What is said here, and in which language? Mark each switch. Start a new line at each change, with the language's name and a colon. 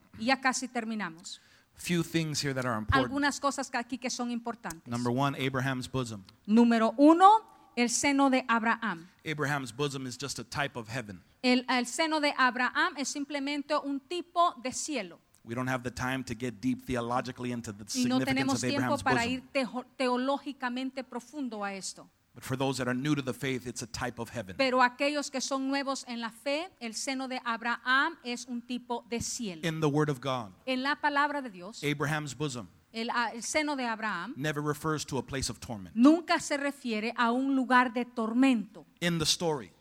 Spanish: Ya casi terminamos.
English: Few things here that are important.
Spanish: Algunas cosas aquí que son importantes.
English: Number one, Abraham's bosom.
Spanish: Número uno, el seno de Abraham.
English: Abraham's bosom is just a type of heaven.
Spanish: El seno de Abraham es simplemente un tipo de cielo.
English: We don't have the time to get deep theologically into the
Spanish: y no
English: significance
Spanish: tenemos
English: of Abraham's
Spanish: tiempo para
English: bosom.
Spanish: Ir teológicamente profundo a esto.
English: But for those that are new to the faith, it's a type of heaven.
Spanish: Pero aquellos que son nuevos en la fe, el seno de Abraham es un tipo de cielo.
English: In the word of God.
Spanish: En la palabra de Dios.
English: Abraham's bosom.
Spanish: El seno de Abraham.
English: Never refers to a place of torment.
Spanish: Nunca se refiere a un lugar de tormento.
English: In the story.